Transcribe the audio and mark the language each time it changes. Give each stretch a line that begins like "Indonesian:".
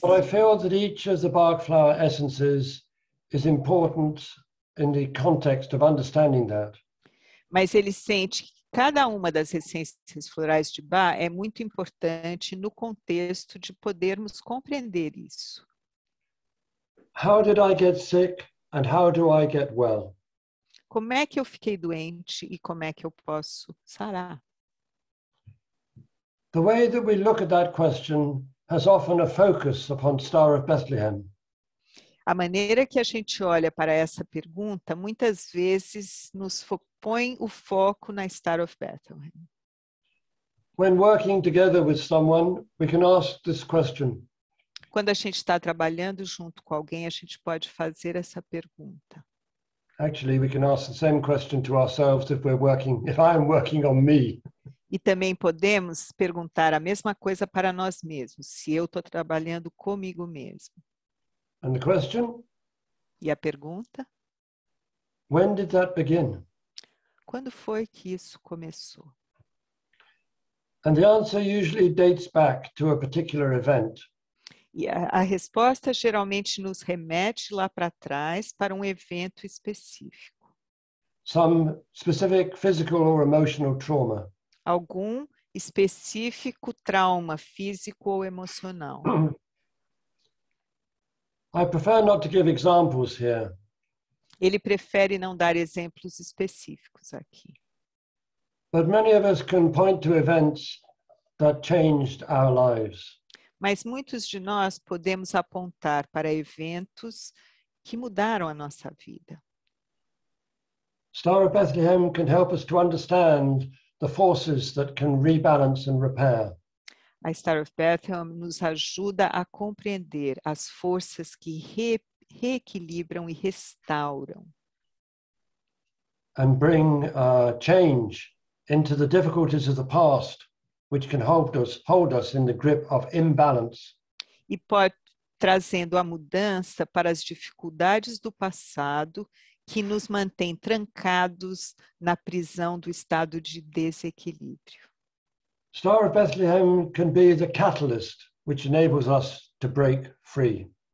English: But I feel that each of the Bach flower essences is important in the context of understanding that.
Portuguese: Mas ele sente que cada uma das essências florais de Bach é muito importante no contexto de podermos compreender isso.
English: How did I get sick and how do I get well?
Portuguese: Como é que eu fiquei doente e como é que eu posso sarar?
English: The way that we look at that question has often a focus upon Star of Bethlehem.
Portuguese: A maneira que a gente olha para essa pergunta muitas vezes nos põe o foco na Star of Bethlehem.
English: When working together with someone, we can ask this question.
Portuguese: Quando a gente está trabalhando junto com alguém, a gente pode fazer essa pergunta.
English: Actually, we can ask the same question to ourselves if we're working, if I'm working on me.
Portuguese: E também podemos perguntar a mesma coisa para nós mesmos, se eu estou trabalhando comigo mesmo.
English: And the question?
Portuguese: E a pergunta?
English: When did that begin?
Portuguese: Quando foi que isso começou?
English: And the answer usually dates back to a particular event.
Portuguese: E a resposta geralmente nos remete lá para trás para um evento específico.
English: Some specific physical or emotional trauma.
Portuguese: Algum específico trauma físico ou emocional.
English: I prefer not to give examples here.
Portuguese: Ele prefere não dar exemplos específicos aqui.
English: But many of us can point to events that changed our lives.
Portuguese: Mas muitos de nós podemos apontar para eventos que mudaram a nossa vida.
English: Star of Bethlehem can help us to understand the forces that can rebalance and repair.
Portuguese: A Star of Bethlehem nos ajuda a compreender as forças que reequilibram e restauram.
English: And bring change into the difficulties of the past, which can hold us in the grip of imbalance.
Portuguese: E pode, trazendo a mudança para as dificuldades do passado, que nos mantém trancados na prisão do estado de desequilíbrio.
English: Star of Bethlehem can be the catalyst which enables us to break free.